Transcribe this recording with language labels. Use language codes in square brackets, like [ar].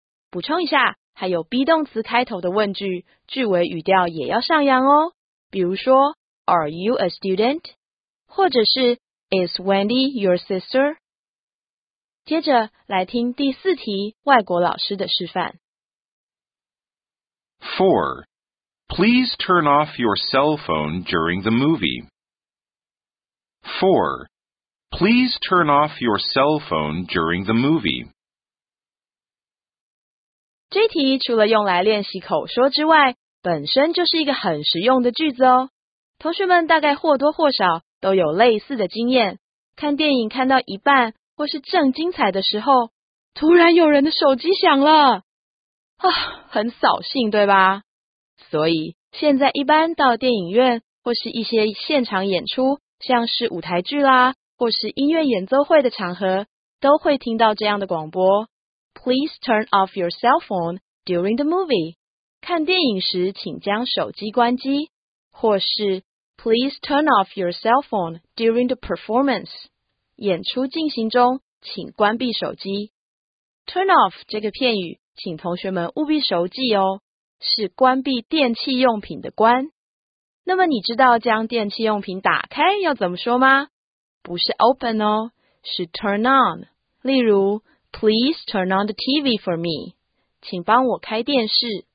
[zh] 补充一下，还有 be 动词开头的问句，句尾语调也要上扬哦。比如说 [en] ,Are you a student? [zh] 或者是 [en] ,Is Wendy your sister? [zh] 接着来听第四题外国老师的示范。 [en] 4. Please turn off your cell phone during the movie. 4. Please turn off your cell phone during the movie. [zh] 这题除了用来练习口说之外，本身就是一个很实用的句子哦。同学们大概或多或少都有类似的经验，看电影看到一半或是正精彩的时候，突然有人的手机响了，很扫兴对吧？所以现在一般到电影院或是一些现场演出，像是舞台剧啦或是音乐演奏会的场合，都会听到这样的广播 [en] Please turn off your cell phone during the movie. [zh] 看电影时请将手机关机。或是 [en] please turn off your cell phone during the performance. [zh] 演出进行中请关闭手机。Turn off 这个片语请同学们务必熟记哦，是关闭电器用品的关。那么你知道将电器用品打开要怎么说吗？不是 open 哦，是 turn on。例如 [en] please turn on the TV for me， [zh] 请帮我开电视。